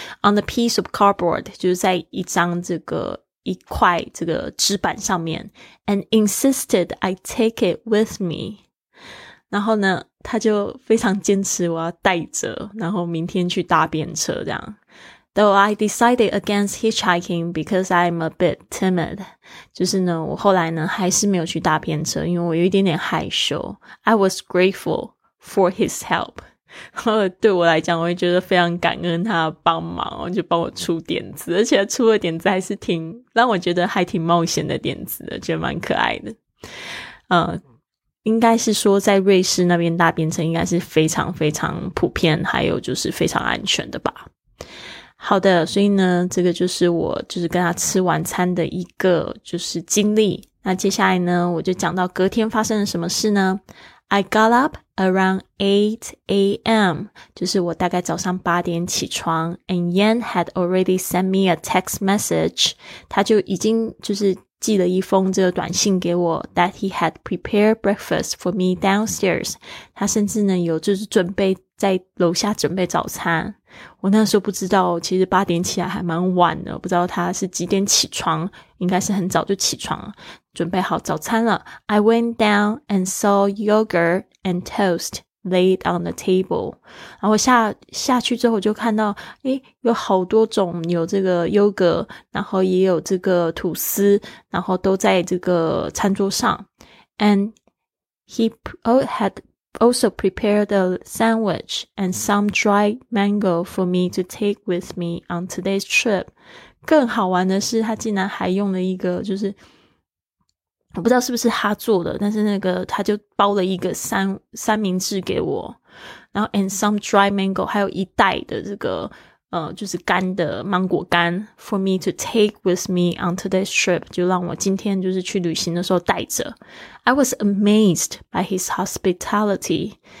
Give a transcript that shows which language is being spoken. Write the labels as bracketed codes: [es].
[en] On a piece of cardboard, [zh] 就是在一张这个一块这个纸板上面 [en] ,and insisted I take it with me. [zh] 然后呢他就非常坚持我要带着，然后明天去搭便车这样。 [en] Though I decided against hitchhiking because I'm a bit timid. [zh] 就是呢我后来呢还是没有去搭便车，因为我有一点点害羞。 [en] I was grateful for his help. [zh] 对我来讲我也觉得非常感恩他的帮忙，就帮我出点子，而且出的点子还是挺让我觉得还挺冒险的点子的，觉得蛮可爱的。应该是说在瑞士那边搭便车应该是非常非常普遍，还有就是非常安全的吧。好的，所以呢，这个就是我就是跟他吃晚餐的一个就是经历。那接下来呢，我就讲到隔天发生了什么事呢。 [en] I got up around 8 a.m. [zh] 就是我大概早上八点起床， [en] and Yan had already sent me a text message. [zh] 他就已经就是寄了一封这个短信给我， [en] that he had prepared breakfast for me downstairs. [zh] 他甚至呢有就是准备在楼下准备早餐。我那时候不知道，其实八点起来还蛮晚的，不知道他是几点起床，应该是很早就起床准备好早餐了。 [en] I went down and saw yogurt and toast laid on the table. [zh] 然后下去之后，我就看到诶，有好多种，有这个优格，然后也有这个吐司，然后都在这个餐桌上。 [en] And he had also prepared a sandwich and some dried mango for me to take with me on today's trip. [zh] 更好玩的是，他竟然还用了一个就是我不知道是不是他做的，但是那个他就包了一个三明治给我，然后 [en] and some dry mango, [zh] 还有一袋的这个就是干的芒果干 [en] for me to take with me on today's trip, [zh] 就让我今天就是去旅行的时候带着。 [en] I was amazed by his hospitality.